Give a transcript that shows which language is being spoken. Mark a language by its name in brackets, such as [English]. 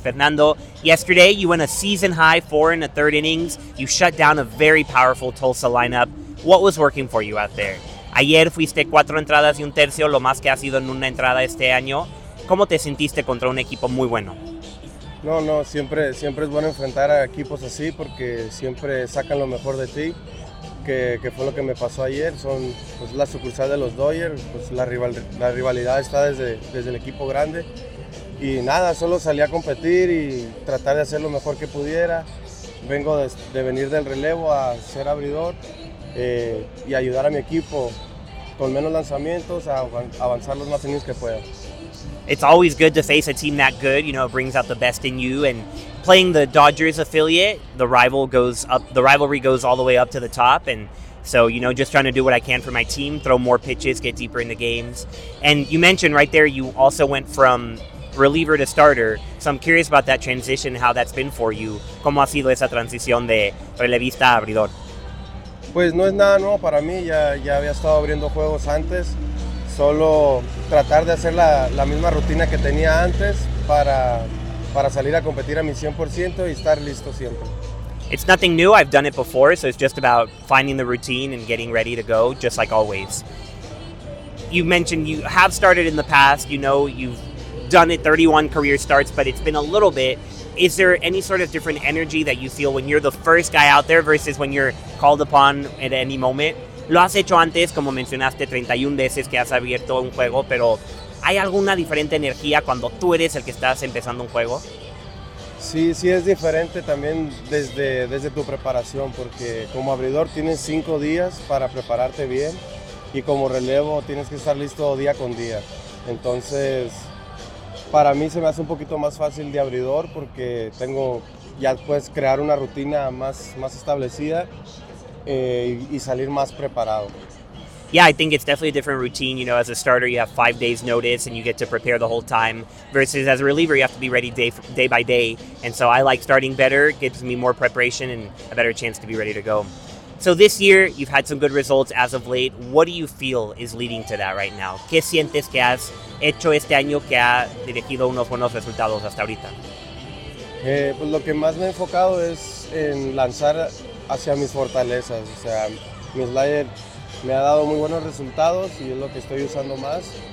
[English] Fernando, yesterday you went a season high 4 1/3 innings. You shut down a very powerful Tulsa lineup. What was working for you out there? [Spanish] Ayer fuiste 4 1/3, lo más que ha sido en una entrada este año. ¿Cómo te sentiste contra un equipo muy bueno? No, siempre es bueno enfrentar a equipos así porque siempre sacan lo mejor de ti. Que fue lo que me pasó ayer, son pues, la sucursal de los Dodgers, pues, la rivalidad está desde el equipo grande y nada, solo salí a competir y tratar de hacer lo mejor que pudiera. Vengo de venir del relevo a ser abridor y ayudar a mi equipo con menos lanzamientos a avanzar los más innings que pueda. [English] It's always good to face a team that good, you know, it brings out the best in you. And playing the Dodgers affiliate, the rivalry goes all the way up to the top. And so, you know, just trying to do what I can for my team, throw more pitches, get deeper in the games. And you mentioned right there you also went from reliever to starter. So I'm curious about that transition, how that's been for you. [Spanish] ¿Cómo ha sido esa transición de relevista a abridor? Pues no es nada nuevo para mí. Ya había estado abriendo juegos antes. Solo tratar de hacer la misma rutina que tenía antes para salir a competir a mi 100% y estar listo siempre. [English] It's nothing new, I've done it before, so it's just about finding the routine and getting ready to go, just like always. You mentioned you have started in the past, you know you've done it 31 career starts, but it's been a little bit. Is there any sort of different energy that you feel when you're the first guy out there versus when you're called upon at any moment? [Spanish] Lo has hecho antes, como mencionaste, 31 veces que has abierto un juego, pero ¿hay alguna diferente energía cuando tú eres el que estás empezando un juego? Sí, es diferente también desde tu preparación, porque como abridor tienes 5 días para prepararte bien y como relevo tienes que estar listo día con día. Entonces, para mí se me hace un poquito más fácil de abridor porque tengo, ya puedes crear una rutina más establecida y salir más preparado. [English] Yeah, I think it's definitely a different routine. You know, as a starter, you have 5 days notice and you get to prepare the whole time. Versus as a reliever, you have to be ready day by day. And so I like starting better. It gives me more preparation and a better chance to be ready to go. So this year, you've had some good results as of late. What do you feel is leading to that right now? [Spanish] ¿Qué sientes que has hecho este año que ha dirigido unos buenos resultados hasta ahorita? Pues lo que más me he enfocado es en lanzar hacia mis fortalezas. O sea, mi slider me ha dado muy buenos resultados y es lo que estoy usando más.